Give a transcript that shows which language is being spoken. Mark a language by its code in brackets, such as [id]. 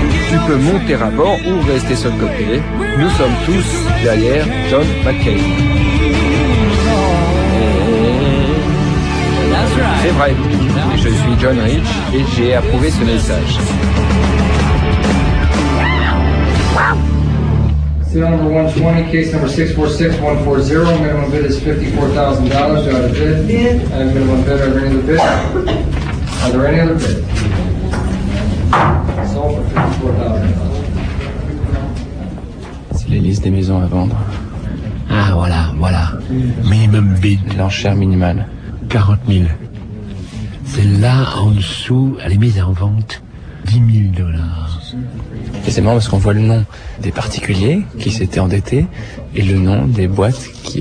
[fr] tu peux monter à bord ou rester sur le côté. Nous sommes tous derrière John McCain. C'est vrai, je suis John Rich et j'ai approuvé ce message. [en] Sit on number 120, case number 646140, minimum bid is $54,000, do I have a bid? Yeah. I have a minimum bid, are there any other bids? Are there any other bids? Sold for $54,000. [fr] C'est les listes des maisons à vendre. Ah, voilà, voilà. [en] Minimum bid. [fr] L'enchère minimale. 40 000. Celle-là, en dessous, elle est mise en vente. 10 000 dollars. Et c'est marrant parce qu'on voit le nom des particuliers qui s'étaient endettés et le nom des boîtes qui